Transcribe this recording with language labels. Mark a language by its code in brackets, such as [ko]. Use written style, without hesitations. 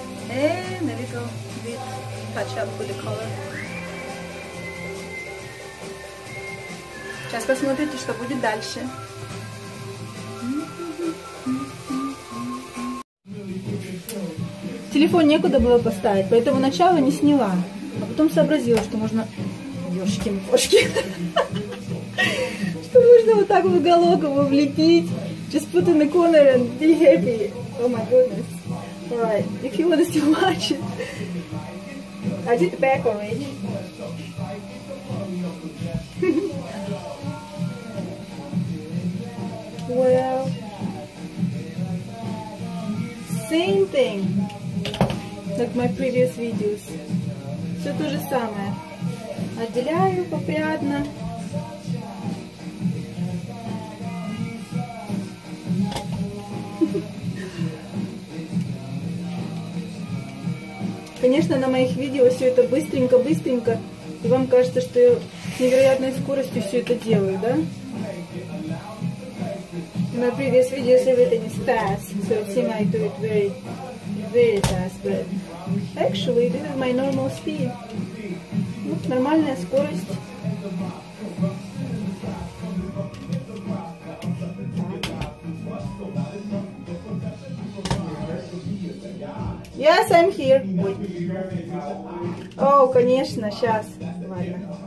[en] And a little bit touch up with the color. [ru] Сейчас посмотрите, что будет дальше. Телефон некуда было поставить, поэтому начало не сняла. А потом сообразила, что можно... Ёшки-мошки. Что можно вот так в уголок его влепить. [en] Just put in the corner and be happy. Oh my goodness. All right, if you want to still watch it. I did the back already. Well, same thing like my previous videos. [ru] Все то же самое. Отделяю попрядно. Конечно, на моих видео все это быстренько-быстренько. И вам кажется, что я с невероятной скоростью все это делаю, да? [en] My previous videos, everything is fast, so it seems I do it very, very fast, but actually, this is my normal speed. [ru] Вот нормальная скорость. [en] Yes, I'm here. Wait. [ru] Oh, конечно, сейчас. Ладно.